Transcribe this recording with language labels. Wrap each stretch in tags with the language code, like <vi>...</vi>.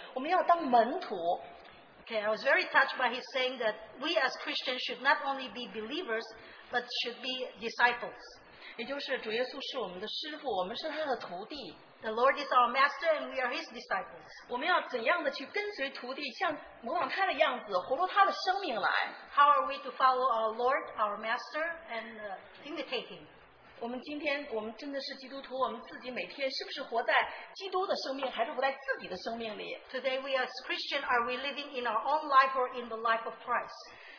<zh>我听这话以后，我真的是感觉到，他还说了一句话：我们今天基督徒，我们不要当信徒，只当信徒，我们要当门徒。</zh> <en>Okay, I was very touched by his saying that we as Christians should not only be believers, but should be disciples.</en> <zh>也就是主耶稣是我们的师傅，我们是他的徒弟。</zh> <en>The Lord is our master, and we are his disciples.</en> <zh>我们要怎样的去跟随徒弟，像模仿他的样子，活出他的生命来？</zh> <en>How are we to follow our Lord, our Master, and imitate Him?</en> <zh>我们今天，我们真的是基督徒，我们自己每天是不是活在基督的生命，还是活在自己的生命里？</zh> <en>Today we as Christian, are we living in our own life or in the life of Christ?</en>